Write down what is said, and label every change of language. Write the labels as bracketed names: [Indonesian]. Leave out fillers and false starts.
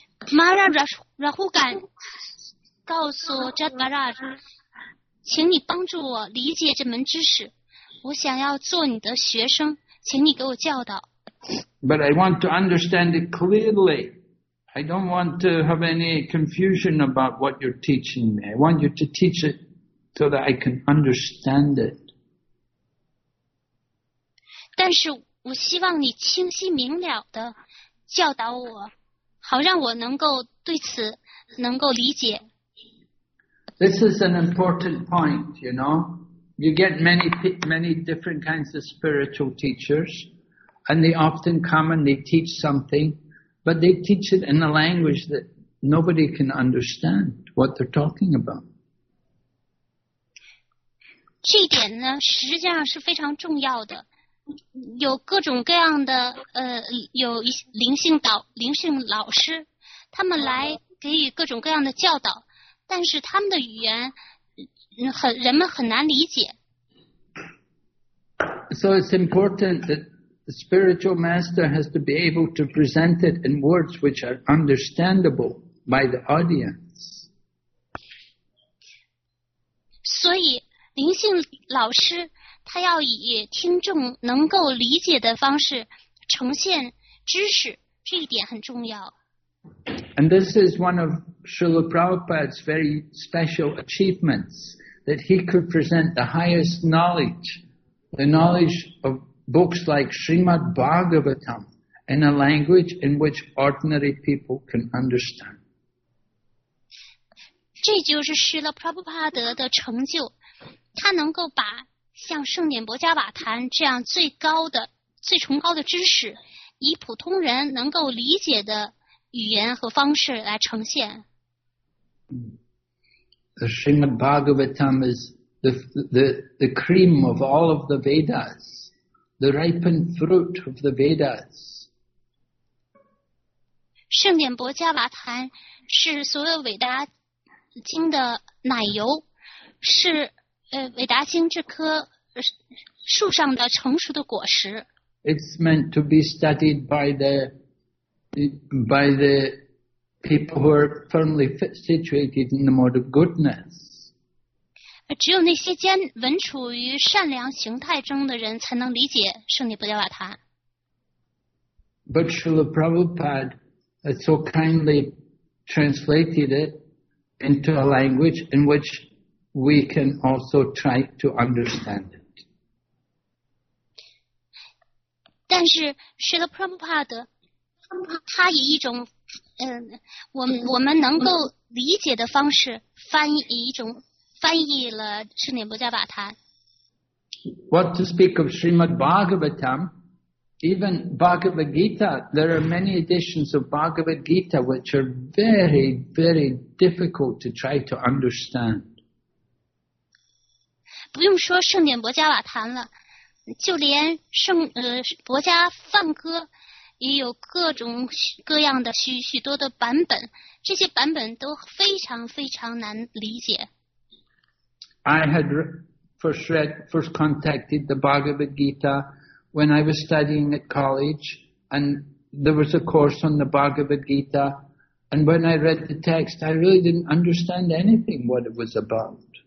[Chinese] Mara Rahugan 告诉 Jadbharat 请你帮助我理解这门知识我想要做你的学生请你给我教导 [English] But I want to understand it clearly I don't want to have any confusion about what you're teaching me I want you to teach it so that I can understand it [Chinese] 但是我希望你清晰明了地教导我好让我能够对此能够理解。 [English] This is an important point, you know. You get many, many different kinds of spiritual teachers, and they often come and they teach something, but they teach it in a language that nobody can understand what they're talking about. [Chinese] 这一点呢，实际上是非常重要的。有各种各样的有灵性老师，他们来给予各种各样的教导，但是他们的语言人们很难理解。 [English] So it's important that the spiritual master has to be able to present it in words which are understandable by the audience. [Chinese] 所以灵性老师他要以听众能够理解的方式呈现知识，这一点很重要。 [English] And this is one of Srila Prabhupada's very special achievements, that he could present the highest knowledge, the knowledge of books like Srimad Bhagavatam, in a language in which ordinary people can understand. [Chinese] 这就是 Srila Prabhupada 的成就，他能够把像圣典薄伽瓦坛这样最高的最崇高的知识以普通人能够理解的语言和方式来呈现。 [English] The Srimad Bhagavatam is the cream of all of the Vedas, the ripened fruit of the Vedas. [Chinese] 圣典薄伽瓦坛是所有伟大经的奶油，是伟达经这棵树上的成熟的果实。 [English] It's meant to be studied by the people who are firmly situated in the mode of goodness. [Chinese] 只有那些坚稳处于善良形态中的人才能理解圣地不加瓦坛。 [English] But Srila Prabhupada so kindly translated it into a language in which we can also try to understand it. [Chinese] 但是学了 Prabhupada 他以一种我们能够理解的方式翻译了圣典薄伽瓦坛。 [English] What to speak of Srimad Bhagavatam, even Bhagavad Gita, there are many editions of Bhagavad Gita which are very, very difficult to try to understand. [Chinese] 不用说圣典薄伽瓦坛了，就连薄伽梵歌也有各种各样的许多的版本，这些版本都非常非常难理解。 [English] I had first contacted the Bhagavad Gita when I was studying at college, and there was a course on the Bhagavad Gita, and when I read the text, I really didn't understand anything what it was about.